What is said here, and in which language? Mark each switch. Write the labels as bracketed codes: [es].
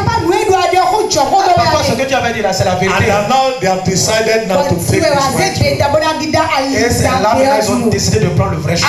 [fr] Papa, ce que tu avais dit là, c'est la vérité. [en] And now they have decided not to take the wrong road. [fr] Et c'est là qu'ils ont décidé de prendre le vrai chemin.